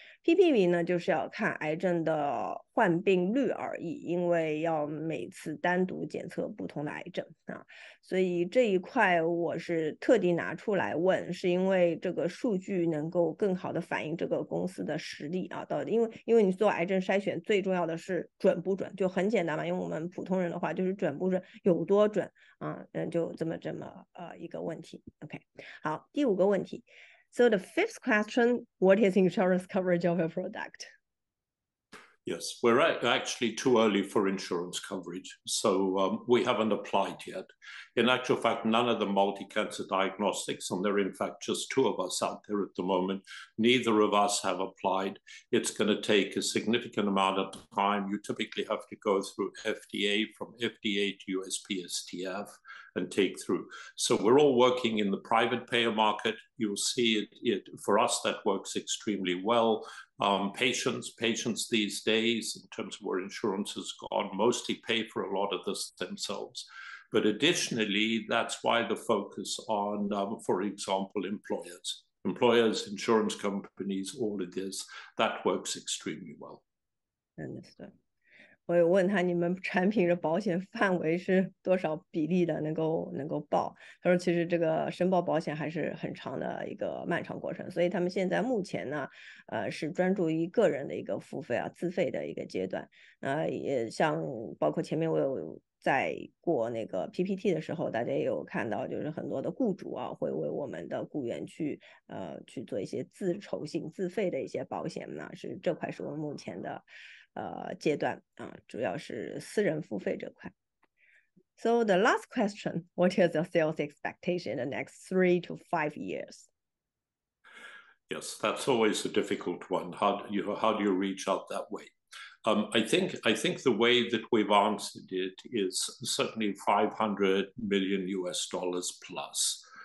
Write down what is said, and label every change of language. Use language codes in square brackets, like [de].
[zh] PPV 呢就是要看癌症的患病率而已，因为要每次单独检测不同的癌症啊，所以这一块我是特地拿出来问，是因为这个数据能够更好的反映这个公司的实力啊。到底因为你做癌症筛选最重要的是准不准，就很简单嘛，因为我们普通人的话就是准不准，有多准啊，就这么一个问题。 OK， 好，第五个问题。 [en] So the fifth question, what is insurance coverage of a product? Yes, we're actually too early for insurance coverage, so we haven't applied yet. In actual fact, none of the multi-cancer diagnostics, and there are in fact just two of us out there at the moment, neither of us have applied. It's going to take a significant amount of time. You typically have to go through FDA, from FDA to USPSTF, and take through. So we're all working in the private payer market. You'll see it for us, that works extremely well. Patients these days, in terms of where insurance has gone, mostly pay for a lot of this themselves. But additionally, that's why the focus on, for example, employers, insurance companies, all of this, that works extremely well. Understood. [zh] 我有问他你们产品的保险范围是多少比例的能够报，他说其实这个申报保险还是很长的一个漫长过程，所以他们现在目前呢，是专注于个人的一个付费啊自费的一个阶段，也像包括前面我有在过那个 PPT 的时候，大家也有看到，就是很多的雇主啊会为我们的雇员去做一些自筹性自费的一些保险呢，是这块是我们目前的。阶段啊，主要是私人付费这块。 [en] So the last question, what is your sales expectation in the next 3 to 5 years? Yes, that's always a difficult one. How do you reach out that way? I think the way that we've answered it is certainly $500 million plus.